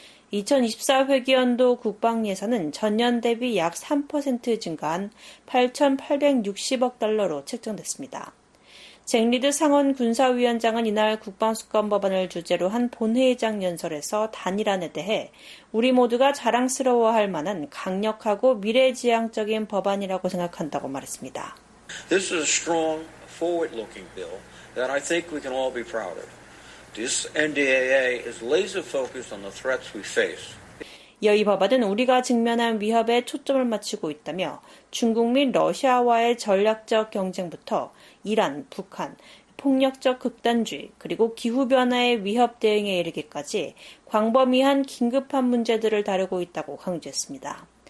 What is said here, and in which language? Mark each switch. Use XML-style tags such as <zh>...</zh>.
<ko>2024 회기연도 국방예산은 전년 대비 약 3% 증가한 8,860억 달러로 책정됐습니다. 잭 리드 상원 군사위원장은 이날 국방수권법안을 주제로 한 본회의장 연설에서 단일안에 대해 우리 모두가 자랑스러워할 만한 강력하고 미래지향적인 법안이라고 생각한다고 말했습니다.</ko> <en>This is a strong, forward-looking bill that I think we can all be proud of. This NDAA is laser-focused on the threats we face.</en> <ko>이 법안은 우리가 직면한 위협에 초점을 맞추고 있다며 중국 및 러시아와의 전략적 경쟁부터 이란, 북한, 폭력적 극단주의, 그리고 기후변화의 위협 대응에 이르기까지 광범위한 긴급한 문제들을 다루고 있다고 강조했습니다.</ko>